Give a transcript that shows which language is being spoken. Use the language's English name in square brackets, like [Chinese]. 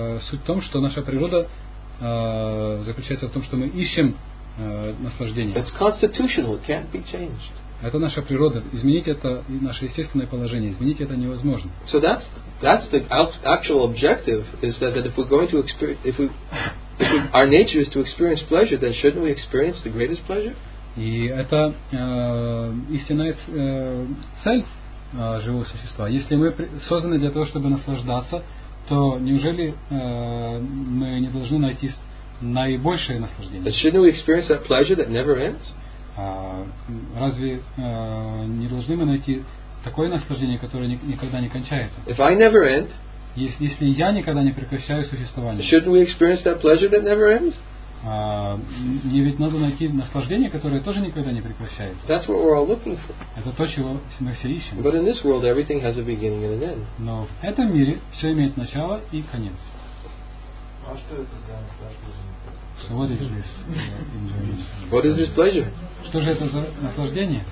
[Russian] Суть в том, что наша природа заключается в том, что мы ищем наслаждение. [English] It's constitutional, it can't be changed. [Russian] Это наша природа. Изменить это наше естественное положение. Изменить это невозможно. [English] So that's the actual objective is that if we're going to experience our nature is to experience pleasure, then shouldn't we experience the greatest pleasure? [Russian] И это истинная цель живого существа. Если мы созданы для того, чтобы наслаждаться, то неужели мы не должны найти наибольшее наслаждение? [English] But shouldn't we experience that pleasure that never ends? [Russian] Разве не должны мы найти такое наслаждение, которое никогда не кончается? [English] If I never end, [Russian] если я никогда не прекращаю существование, [English] shouldn't we experience that pleasure that never ends? [Russian] Мне ведь надо найти наслаждение, которое тоже никогда не прекращается. [English] That's what we're all looking for. [Russian] Это то, чего мы все ищем. [English] But in this world, everything has a beginning and an end. [Russian] Но в этом мире все имеет начало и конец. А что это за наслаждение? [English] So what is this enjoyment? What is this pleasure? [Russian] Что же это за наслаждение?